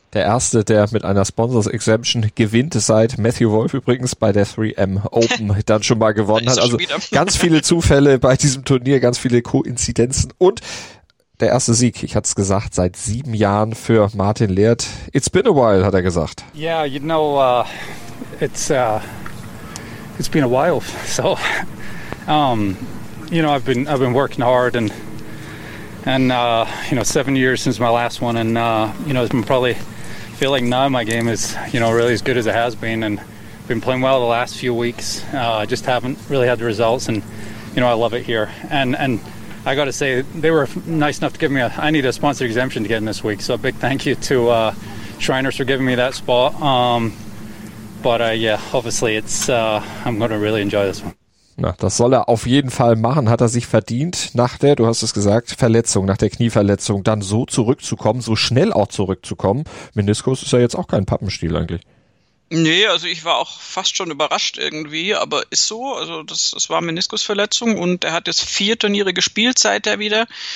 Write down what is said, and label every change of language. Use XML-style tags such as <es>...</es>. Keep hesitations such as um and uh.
<de>der erste, der mit einer Sponsors Exemption gewinnt, seit Matthew Wolf übrigens bei der 3M Open dann schon mal gewonnen hat. Also ganz viele Zufälle bei diesem Turnier, ganz viele Koinzidenzen und der erste Sieg, ich hatte es gesagt, seit sieben Jahren für Martin Leert.</de> <en>It's been a while,</en> <de>hat er gesagt.</de> <en>Yeah, you know, uh, it's, uh, it's been a while. So, um, you know, I've been, I've been working hard and, and uh, you know, seven years since my last one and, uh, you know, it's been probably feel like now my game is you know really as good as it has been and been playing well the last few weeks I uh, just haven't really had the results and you know I love it here and and I got to say they were nice enough to give me a I need a sponsor exemption to get in this week so a big thank you to uh, Shriners for giving me that spot um, but uh, yeah obviously it's I'm going to really enjoy this one</en> <de>Na, das soll er auf jeden Fall machen, hat er sich verdient, nach der, du hast es gesagt, Verletzung, nach der Knieverletzung, dann so zurückzukommen, so schnell auch zurückzukommen. Meniskus ist ja jetzt auch kein Pappenstiel eigentlich. Nee, also ich war auch fast schon überrascht irgendwie, aber ist so. Also das, das war Meniskusverletzung und er hat jetzt vier Turniere gespielt seither wieder.</de>